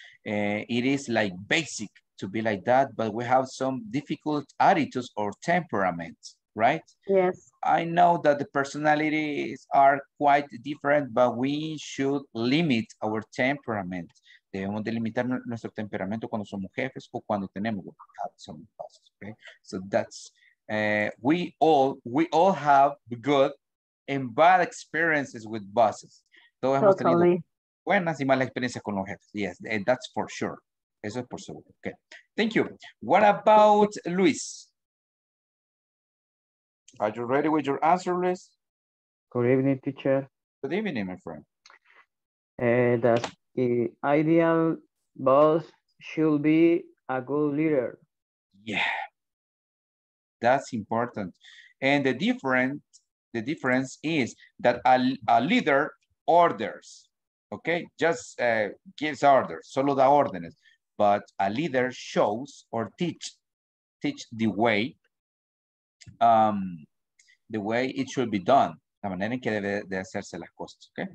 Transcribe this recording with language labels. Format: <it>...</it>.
<en>It is like basic to be like that, but we have some difficult attitudes or temperaments, right? Yes. I know that the personalities are quite different, but we should limit our temperament.</en> <es>Debemos de limitar nuestro temperamento cuando somos jefes o cuando tenemos</es> <en>some bosses, okay? So that's, we all have good and bad experiences with bosses.</en> <es>Todos hemos tenido buenas y malas experiencias con los jefes.</es> <en>Yes, and that's for sure.</en> <es>Eso es por seguro.</es> <en>Okay. Thank you. What about Luis? Are you ready with your answer, Luis? Good evening, teacher. Good evening, my friend. That's the ideal boss should be a good leader. Yeah. That's important. And the difference is that a leader orders, okay? Just gives orders,</en> <es>solo da órdenes.</es> <en>But a leader shows or teach the way it should be done.</en> <es>La manera en que debe de hacerse las cosas,</es> <en>okay?</en>